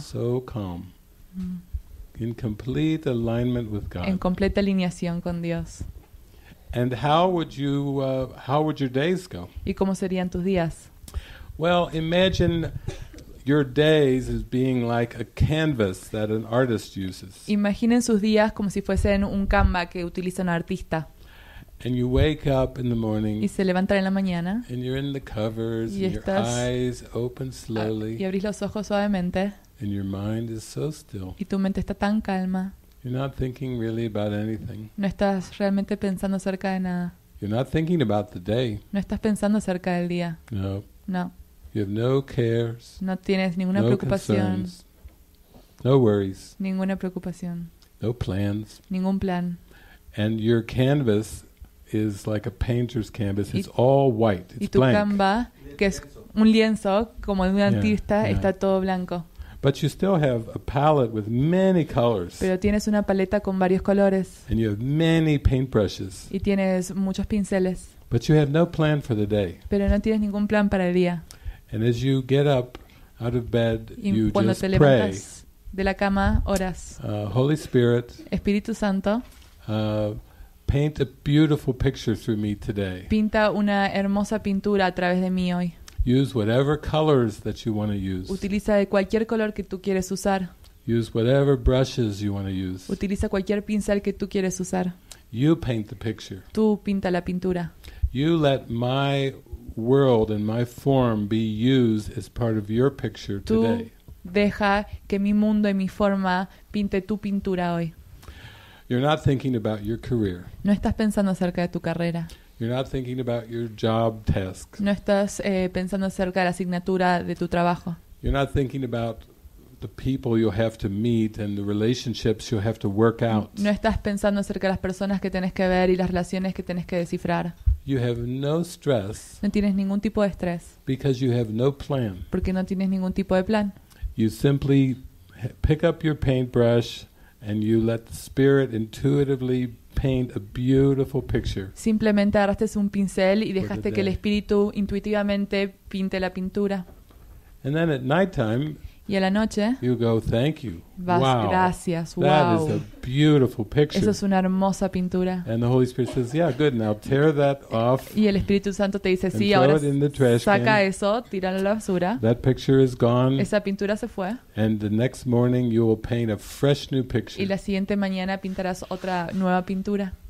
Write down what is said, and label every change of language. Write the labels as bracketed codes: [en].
[en] So calm. In complete alignment with God. [es] En completa alineación con Dios. [en] And how would your days go? [es] ¿Y cómo serían tus días? [en] Well, imagine your days as being like a canvas that an artist uses. [es] Imaginen sus días como si fuesen un canva que utiliza un artista. [en] And you wake up in the morning. [es] Y se levantan en la mañana. [en] And you're in the covers [es] y [en] and your eyes open slowly. [es] Y abrís los ojos suavemente. [en] And your mind is so still. [es] Y tu mente está tan calma. [en] You're not thinking really about anything. [es] No estás realmente pensando acerca de nada. [en] You're not thinking about the day. [es] No estás pensando acerca del día. [en] No. [es] No. [en] You have no cares. [es] No tienes ninguna preocupación. [en] Concerns, no worries. [es] Ninguna preocupación. [en] No plans. [es] Ningún plan. [en] And your canvas is like a painter's canvas. It's all white. It's [es] y tu [en] blank. [es] Canva, que es un lienzo como de un artista, yeah. Está todo blanco. [en] But you still have a palette with many colors. [es] Pero tienes una paleta con varios colores. [en] And you have many paintbrushes. [es] Y tienes muchos pinceles. [en] But you have no plan for the day. [es] Pero no tienes ningún plan para el día. [en] And as you get up out of bed, [es] y [en] you [es] cuando [en] just [es] te levantas [en] pray. [es] De la cama, oras. [en] Holy Spirit. [es] Espíritu Santo. [en] Paint a beautiful picture through me today. [es] Pinta una hermosa pintura a través de mí hoy. [en] Use whatever colors that you want to use. [es] Utiliza de cualquier color que tú quieres usar. [en] Use whatever brushes you want to use. [es] Utiliza cualquier pincel que tú quieres usar. [en] You paint the picture. [es] Tú pinta la pintura. [en] You let my world and my form be used as part of your picture [es] tú [en] today. [es] Deja que mi mundo y mi forma pinte tu pintura hoy. [en] You're not thinking about your career. [es] No estás pensando acerca de tu carrera. [en] You're not thinking about your job task. [es] No estás pensando acerca de la asignatura de tu trabajo. [en] You're not thinking about the people you have to meet and the relationships you have to work out. [es] No estás pensando acerca de las personas que tenés que ver y las relaciones que tenés que descifrar. [en] You have no stress. [es] No tienes ningún tipo de estrés. [en] Because you have no plan. [es] Porque no tienes ningún tipo de plan. [en] You simply pick up your paintbrush and you let the spirit intuitively paint a beautiful picture. [es] Simplemente agarraste un pincel y dejaste que el espíritu intuitivamente pinte la pintura. [en] And then at nighttime, [es] y a la noche, [en] you go, thank you. [es] Vas, wow. Gracias. Wow. [en] That is a beautiful picture. [es] Eso es una hermosa pintura. [en] And the Holy Spirit says, yeah, good. Now tear that off. [es] Y el Espíritu Santo te dice, sí, ahora saca eso, tíralo a la basura. [en] That picture is gone. [es] Esa pintura se fue. [en] And the next morning you will paint a fresh new picture. [es] Y la siguiente mañana pintarás otra nueva pintura.